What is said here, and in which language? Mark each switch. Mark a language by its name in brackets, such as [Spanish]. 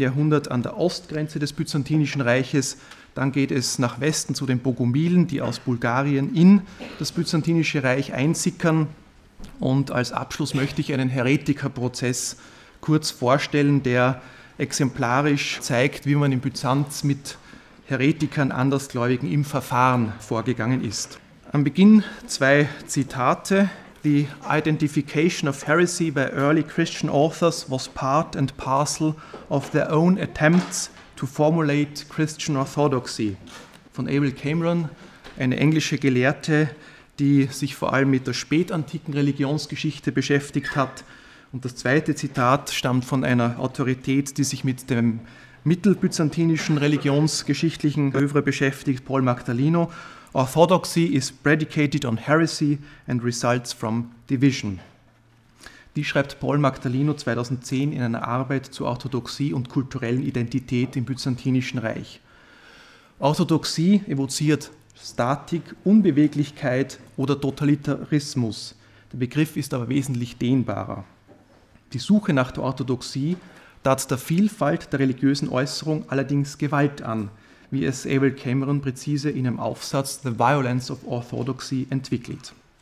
[German] Jahrhundert an der Ostgrenze des Byzantinischen Reiches. Dann geht es nach Westen zu den Bogomilen, die aus Bulgarien in das Byzantinische Reich einsickern. Und als Abschluss möchte ich einen Heretikerprozess kurz vorstellen, der exemplarisch zeigt, wie man in Byzanz mit Heretikern, Andersgläubigen im Verfahren vorgegangen ist. Am Beginn 2 Zitate. [English] The identification of heresy by early Christian authors was part and parcel of their own attempts to formulate Christian orthodoxy. [German] Von Abel Cameron, eine englische Gelehrte, die sich vor allem mit der spätantiken Religionsgeschichte beschäftigt hat. Und das zweite Zitat stammt von einer Autorität, die sich mit dem mittelbyzantinischen religionsgeschichtlichen Oeuvre beschäftigt, Paul Magdaleno. [English] Orthodoxy is predicated on heresy and results from division. [German] Die schreibt Paul Magdaleno 2010 in einer Arbeit zur Orthodoxie und kulturellen Identität im Byzantinischen Reich. Orthodoxie evoziert Statik, Unbeweglichkeit oder Totalitarismus. Der Begriff ist aber wesentlich dehnbarer. Die Suche nach der Orthodoxie tat der Vielfalt der religiösen Äußerung allerdings Gewalt an, wie es Abel Cameron präzise in einem Aufsatz The Violence of Orthodoxy entwickelt.